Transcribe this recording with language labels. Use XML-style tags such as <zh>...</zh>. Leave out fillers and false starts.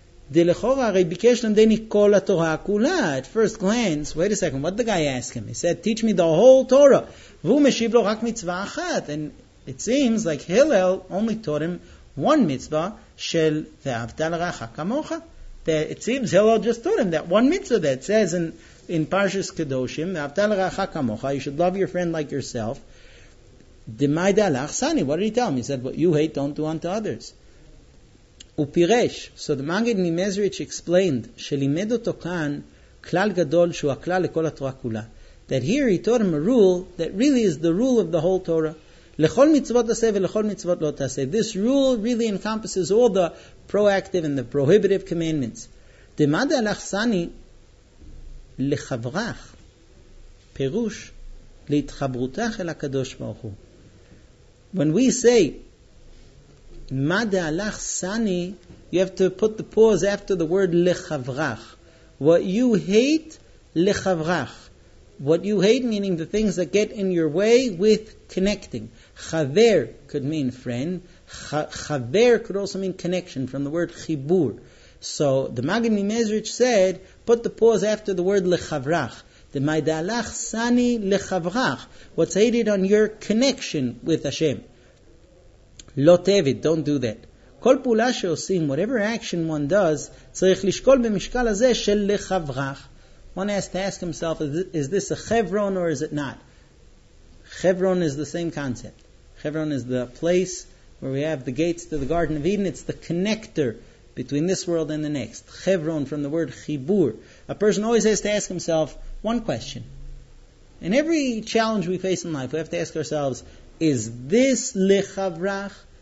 <he>דלכאורה הרי ביקש למדני כל התורה כולה.</he> <en>At first glance, wait a second, what the guy asked him? He said, teach me the whole Torah.</en> <he>והוא משיב לו רק מצווה אחת.</he> <en>And it seems like Hillel only taught him one mitzvah של</en> <he>ואהבת לרעך כמוך.</he> <en>It seems Hillel just taught him that one mitzvah that says in Parshas Kedoshim,</en> <he>ואהבת לרעך כמוך,</he> <en>you should love your friend like yourself.</en> <arc>דמי דהלך סני,</arc> <en>what did he tell him? He said, what you hate, don't do unto others.</en> <he>ופירש,</he> <en>so the Magid Mimezrich explained,</en> <he>שלימד אותו כאן כלל גדול שהוא הכלל לכל התורה כולה.</he> <en>That here he taught him a rule that really is the rule of the whole Torah.</en> <he>לכל מצוות תעשה ולכל מצוות לא תעשה.</he> <en>This rule really encompasses all the proactive and the prohibitive commandments.</en> <arc>דמי דהלך סני לחברך,</arc> <he>פירוש, להתחברותך אל הקדוש ברוך הוא.</he> <en>When we say,</en> <arc>מה דהלך סני,</arc> <en>you have to put the pause after the word לחברך. What you hate, לחברך. What you hate, meaning the things that get in your way with connecting. חבר could mean friend. חבר could also mean connection from the word חיבור. So the Magid Mimezrich said, put the pause after the word לחברך.</en> <arc>דמי דהלך סני לחברך.</arc> <en>What's hated on your connection with Hashem.</en> <arc>לא תעביד,</arc> <en>don't do that.</en> <he>כל פעולה שעושים,</he> <en>whatever action one does,</en> <he>צריך לשקול במשקל הזה של לחברך.</he> <en>One has to ask himself, is this a chevron or is it not? Chevron is the same concept. Chevron is the place where we have the gates to the Garden of Eden. It's the connector between this world and the next. Chevron from the word chibur. A person always has to ask himself one question. In every challenge we face in life, we have to ask ourselves, is this lechavrach?</en>